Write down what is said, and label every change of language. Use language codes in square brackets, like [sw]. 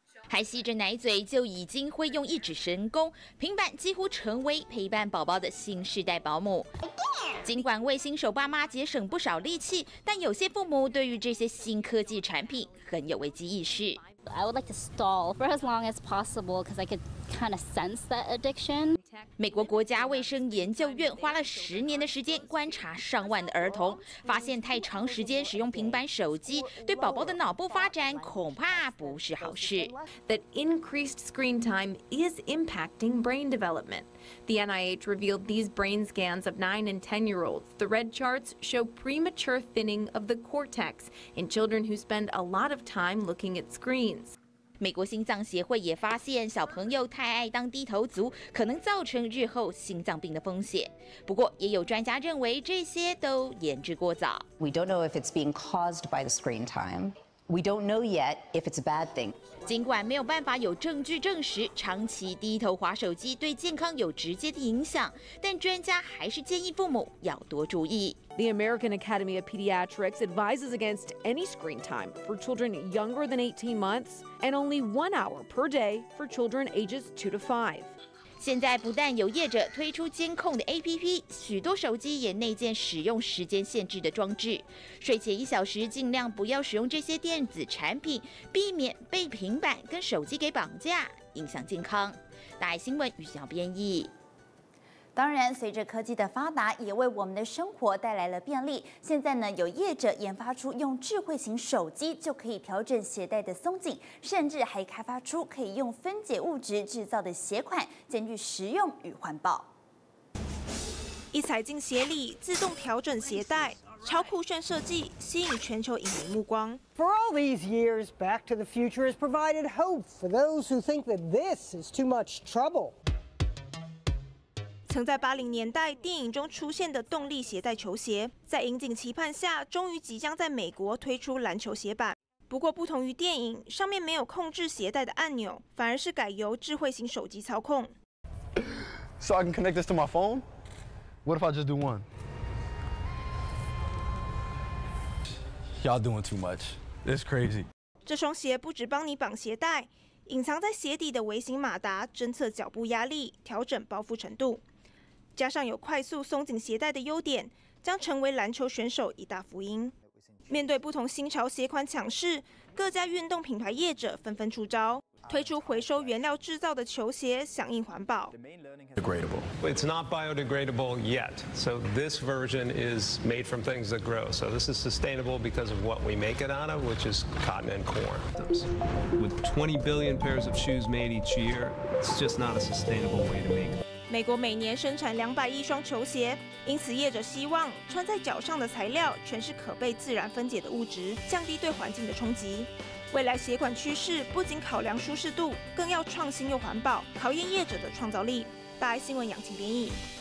[zh] 还吸着奶嘴就已经会用一指神功，平板几乎成为陪伴宝宝的新世代保姆。尽管为新手爸妈节省不少力气，但有些父母对于这些新科技产品很有危机意识。 [en] I would like to stall for as long as possible because I could kind of sense that addiction. [zh] 美国国家卫生研究院花了10年的时间观察上万的儿童，发现太长时间使用平板手机对宝宝的脑部发展恐怕不是好事。 [en] That increased screen time is impacting brain development. The NIH revealed these brain scans of 9 and 10-year-olds. The red charts show premature thinning of the cortex in children who spend a lot of time looking at screens. [zh] 美国心脏协会也发现，小朋友太爱当低头族，可能造成日后心脏病的风险。不过，也有专家认为，这些都言之过早。 [en] We don't know if it's being caused by the screen time. We don't know yet if it's a bad thing. [zh] 尽管没有办法有证据证实长期低头滑手机对健康有直接的影响，但专家还是建议父母要多注意。 [en] The American Academy of Pediatrics advises against any screen time for children younger than 18 months and only 1 hour per day for children ages 2 to 5. [zh] 现在不但有业者推出监控的 APP， 许多手机也内建使用时间限制的装置。睡前一小时尽量不要使用这些电子产品，避免被平板跟手机给绑架，影响健康。大爱新闻于小编译。当然，随着科技的发达，也为我们的生活带来了便利。现在呢，有业者研发出用智慧型手机就可以调整鞋带的松紧，甚至还开发出可以用分解物质制造的鞋款，兼具实用与环保。一踩进鞋里，自动调整鞋带，超酷炫设计吸引全球影迷目光。 [en] For all these years, Back to the Future has provided hope for those who think that this is too much trouble. [zh] 曾在80年代电影中出现的动力携带球鞋，在引颈期盼下，终于即将在美国推出篮球鞋版。不过不同于电影，上面没有控制鞋带的按钮，反而是改由智慧型手机操控。 [en] So I can connect this to my phone? What if I just do one? Y'all doing too much. It's crazy. [zh] 这双鞋不只帮你绑鞋带，隐藏在鞋底的微型马达侦测脚步压力，调整包覆程度。加上有快速松紧鞋带的优点，将成为篮球选手一大福音。面对不同新潮鞋款抢势，各家运动品牌业者纷纷出招，推出回收原料制造的球鞋，响应环保。 [en] Degradable. It's not biodegradable yet. So this version is made from things that grow. So this is sustainable because of what we make it out of, which is cotton and corn. With 20 billion pairs of shoes made each year, it's just not a sustainable way to make it. [zh] 美国每年生产200亿双球鞋，因此业者希望穿在脚上的材料全是可被自然分解的物质，降低对环境的冲击。未来鞋款趋势不仅考量舒适度，更要创新又环保，考验业者的创造力。大爱新闻杨晴编译。